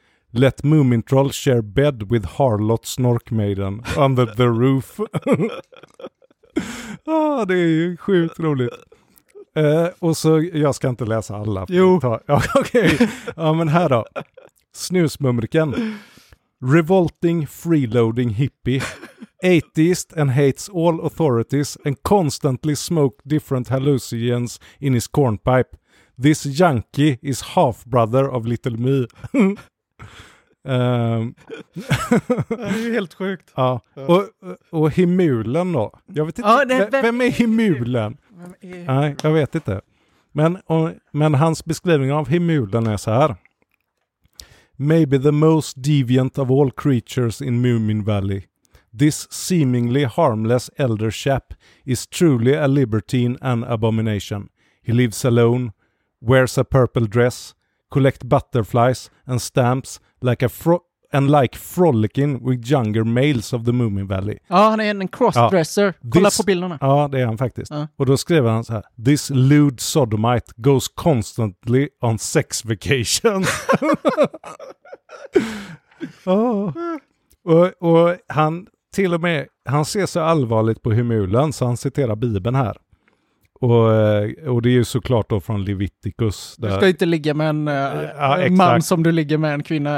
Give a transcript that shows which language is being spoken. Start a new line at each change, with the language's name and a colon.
English: Let Mumintroll share bed with Harlot Snorkmaiden under the roof.
Swedish: Ah, det är ju sjukt roligt. Och så, jag ska inte läsa alla. Jo. Okej. Ja, men här då. Snusmumriken.
English: Revolting, freeloading hippie. Atheist and hates all authorities and constantly smoke different hallucinogens in his cornpipe. This junkie is half-brother of Little Me.
Swedish: Det är ju helt sjukt. Ja. Och Himulen då? Jag vet inte, vem är Himulen? Nej, jag vet inte. Men hans beskrivning av Himulen är så här.
English: Maybe the most deviant of all creatures in Moomin Valley. This seemingly harmless elder chap is truly a libertine and abomination. He lives alone, wears a purple dress, collect butterflies and stamps like a frolicking with younger males of the Moomin Valley.
Swedish: Ja, han är en crossdresser. Ja. Kolla på bilderna. Ja, det är han faktiskt. Ja. Och då skriver han så här.
English: This lewd sodomite goes constantly on sex vacation. Oh.
Swedish: Och han till och med, han ser så allvarligt på Himulen så han citerar Bibeln här. Och det är ju såklart då från Leviticus. Där. Du ska inte ligga med en man som du ligger med en kvinna.